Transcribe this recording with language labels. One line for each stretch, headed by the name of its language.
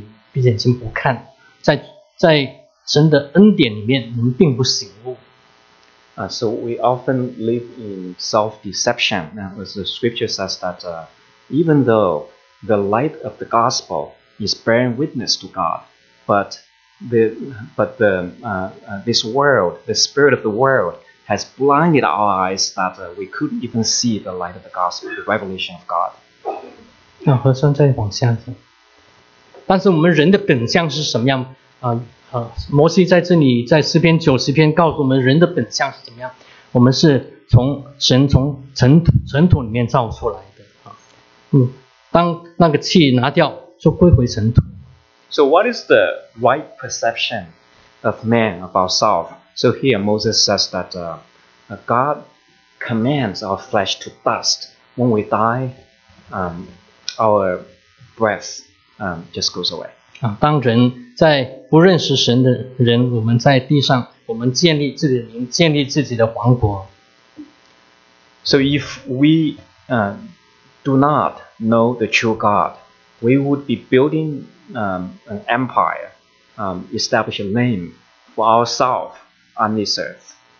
Chinese: 当人在这样幻象的时候，我们闭着眼睛，我们是被圣经告诉我们，我们是被世界的神弄瞎了眼睛，我们自己看不见神的光照我们里面，但是我们自己闭着眼睛不看，在。神的恩典里面，我们并不醒悟。
English: So we often live in self-deception. As the scripture says that even though the light of the gospel is bearing witness to God, but this world, the spirit of the world, has blinded our eyes that we couldn't even see the light of the gospel, the revelation of God.
Chinese: 核酸再往下走。但是我们人的本相是什么样？摩西在这里在诗篇90篇告诉我们人的本相是怎么样，我们是从神从尘土里面造出来的，当那个气拿掉就归回尘土。
English: So what is the right perception of man about self? So here Moses says that God commands our flesh to dust. When we die, our breath just goes away.
Chinese: 当人在不认识神的人，我们在地上，我们建立自己的灵，建立自己的王国。
English: So if we do not know the true God, we would be building an empire, establish a name for ourselves on this earth.